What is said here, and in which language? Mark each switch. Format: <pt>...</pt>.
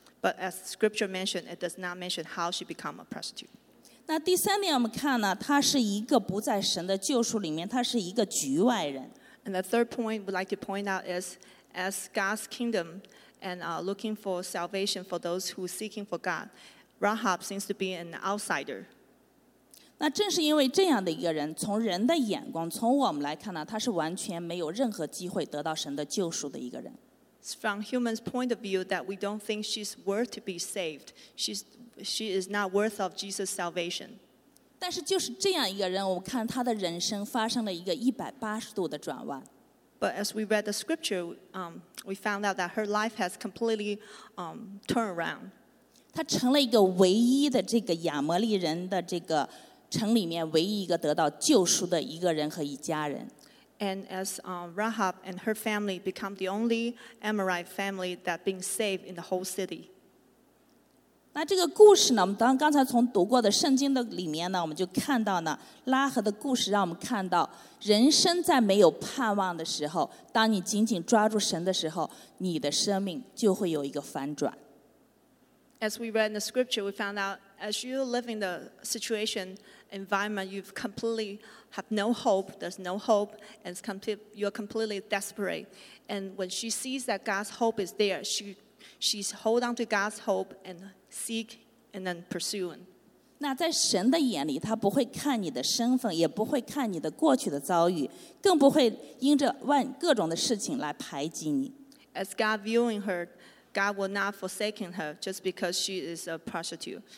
<en>But as scripture mentioned, it does not mention how she became a prostitute.</en> <zh>那第三点我们看呢，她是一个不在神的救赎里面，她是一个局外人。</zh> <en>And the third point we'd like to point out is, as God's kingdom and looking for salvation for those who are seeking for God, Rahab seems to be an outsider.</en> <zh>那正是因为这样的一个人，从人的眼光，从我们来看呢，她是完全没有任何机会得到神的救赎的一个人。</zh> <en>From human's point of view, that we don't think she's worth to be saved. She is not worth of Jesus' salvation.</en> <zh>但是就是这样一个人，我看他的人生发生了一个180度的转弯。</zh> <en>But as we read the scripture, we found out that her life has completely turned around.</en> <zh>她成了一个唯一的这个亚摩利人的这个城里面唯一一个得到救赎的一个人和一家人。</zh> <en>And as Rahab and her family become the only Amorite family that being saved in the whole city.</en> <zh>那这个故事呢，我们刚才从读过的圣经的里面呢，我们就看到呢，拉合的故事让我们看到，人生在没有盼望的时候，当你紧紧抓住神的时候，你的生命就会有一个反转。</zh> <en>As we read in the scripture, we found out as you live in the situation, environment, you've completely have no hope, there's no hope, and you're completely desperate. And when she sees that God's hope is there, she's hold on to God's hope and seek and then pursuing.</en> <zh>那在神的眼里，他不会看你的身份，也不会看你的过去的遭遇，更不会因着各种的事情来排挤你。</zh> <en>As God viewing her,God will not forsake her just because she is a prostitute.</en>